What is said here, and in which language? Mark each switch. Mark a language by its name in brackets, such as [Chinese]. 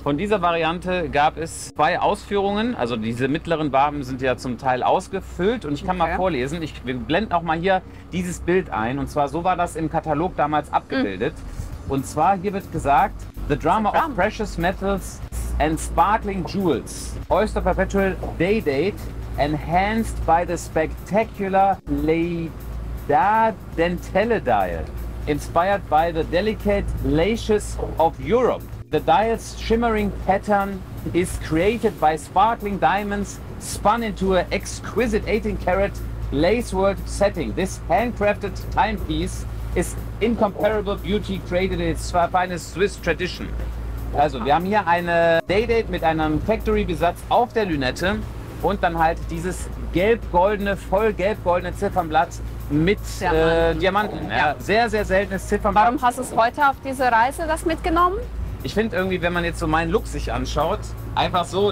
[German] Von dieser Variante gab es 2 Ausführungen. Also diese mittleren Waben sind ja zum Teil ausgefüllt. Und ich kann mal vorlesen, wir blenden auch mal hier dieses Bild ein. Und zwar so war das im Katalog damals abgebildet. Und zwar hier wird gesagt, [English] the drama of precious metals and sparkling jewels. Oyster Perpetual Day Date enhanced by the spectacular late. Da Dentelle Dial, inspired by the delicate laces of Europe. The dial's shimmering pattern is created by sparkling diamonds spun into an exquisite 18-karat lacework setting. This handcrafted timepiece is incomparable beauty created in its finest Swiss tradition. [German] Also, wir haben hier eine Day-Date mit einem Factory-Besatz auf der Lünette und dann halt dieses gelb-goldene, voll gelb-goldene Ziffernblatt mit Diamanten. Ja. Sehr, sehr seltenes Ziffernblatt. Warum hast du es heute auf diese Reise das mitgenommen? Ich finde irgendwie, wenn man jetzt so meinen Look sich anschaut, einfach so.